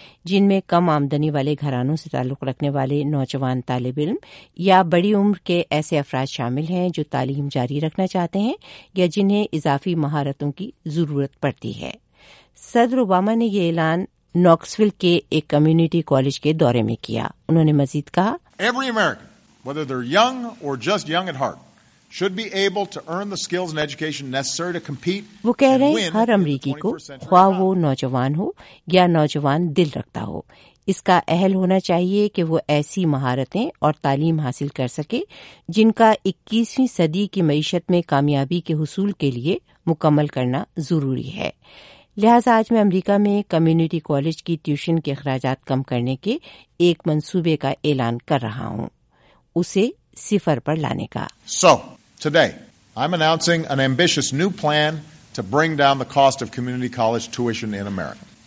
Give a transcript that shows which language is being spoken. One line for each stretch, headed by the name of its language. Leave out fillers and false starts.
Urdu: جن میں کم آمدنی والے گھرانوں سے تعلق رکھنے والے نوجوان طالب علم یا بڑی عمر کے ایسے افراد شامل ہیں جو تعلیم جاری رکھنا چاہتے ہیں یا جنہیں اضافی مہارتوں کی ضرورت پڑتی ہے۔ صدر اوباما نے یہ اعلان ناکسویل کے ایک کمیونٹی کالج کے دورے میں کیا۔ انہوں نے مزید کہا،
English: Every American, whether they're young or just young at heart, should be able to earn the skills and education necessary to compete.
Urdu: وہ کہہ رہے ہیں ہر امریکی کو، خواہ وہ نوجوان ہو یا نوجوان دل رکھتا ہو، اس کا اہل ہونا چاہیے کہ وہ ایسی مہارتیں اور تعلیم حاصل کر سکے جن کا 21ویں صدی کی معیشت میں کامیابی کے حصول کے لیے مکمل کرنا ضروری ہے۔ لہذا آج میں امریکہ میں کمیونٹی کالج کی ٹیوشن کے اخراجات کم کرنے کے ایک منصوبے کا اعلان کر رہا ہوں، اسے صفر پر لانے کا۔
English: So, today, I'm announcing an ambitious new plan to bring down the cost of community college tuition in America.